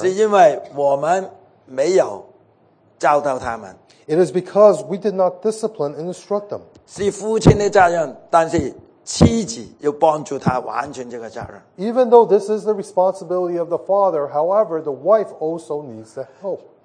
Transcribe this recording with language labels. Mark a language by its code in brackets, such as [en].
[zh] 是因为我们没有教导他们。 [en] It is because we did not discipline and instruct them. [zh] 是父亲的责任，但是 妻子要帮助他完成这个责任。 [en] Even though this is the responsibility of the father, however, the wife also needs the help.